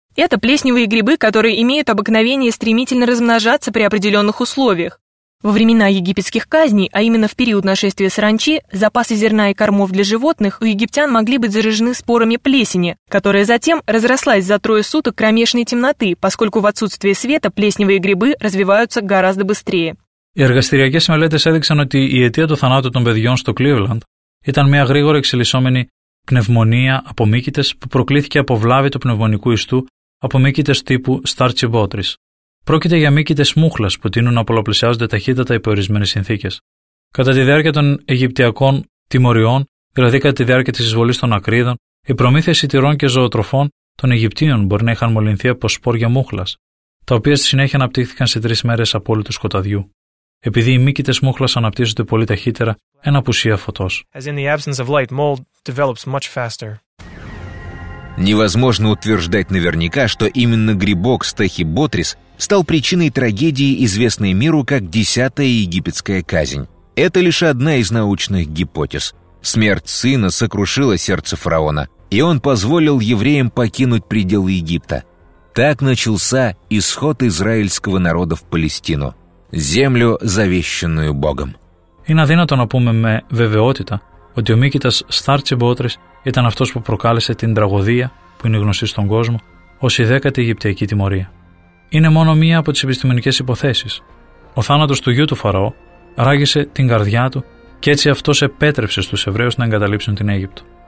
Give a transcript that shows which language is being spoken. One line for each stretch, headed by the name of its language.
Russian: Это плесневые грибы, которые имеют обыкновение стремительно размножаться при определенных условиях. Во времена египетских казней, а именно в период нашествия саранчи, запасы зерна и кормов для животных у египтян могли быть заражены спорами плесени, которая затем разрослась за трое суток кромешной темноты, поскольку в отсутствие света плесневые грибы развиваются гораздо быстрее.
Greek: Οι εργαστηριακές μελέτες έδειξαν, ότι η αιτία του θανάτου των παιδιών στο Cleveland ήταν μια γρήγορα εξελισσόμενη πνευμονία από μύκητες που προκλήθηκε από βλάβη του πνευμονικού ιστού από μύκητες τύπου Starchi Botrys. Πρόκειται για μύκητες μούχλας που τείνουν να πολλαπλασιάζονται ταχύτατα υπό ορισμένες συνθήκες. Κατά τη διάρκεια των Αιγυπτιακών τιμωριών, δηλαδή κατά τη διάρκεια της εισβολής των Ακρίδων, οι προμήθειες σιτηρών και ζωοτροφών των Αιγυπτίων μπορεί να είχαν μολυνθεί από σπόρια μούχλας, τα οποία στη συνέχεια αναπτύχθηκαν σε τρεις μέρες απόλυτου σκοταδιού. Επειδή οι μύκητες μούχλας αναπτύσσονται πολύ ταχύτερα, εν απουσία φωτός.
English: As in the absence of light, mold develops much faster.
Russian: Невозможно утверждать наверняка, что именно грибок Starchi Botrys стал причиной трагедии, известной миру как десятая египетская казнь. Это лишь одна из научных гипотез. Смерть сына сокрушила сердце фараона, и он позволил евреям покинуть пределы Египта. Так начался исход израильского народа в Палестину, землю, завещанную Богом.
Greek: Είναι αδύνατο να πούμε με βεβαιότητα ότι ο μύκητας Starchi Botrys ήταν αυτός που προκάλεσε την τραγωδία που είναι γνωστή στον κόσμο ως η δέκατη Αιγυπτιακή τιμωρία. Είναι μόνο μία από τις επιστημονικές υποθέσεις. Ο θάνατος του γιού του Φαραώ ράγισε την καρδιά του και έτσι αυτός επέτρεψε στους Εβραίους να εγκαταλείψουν την Αίγυπτο.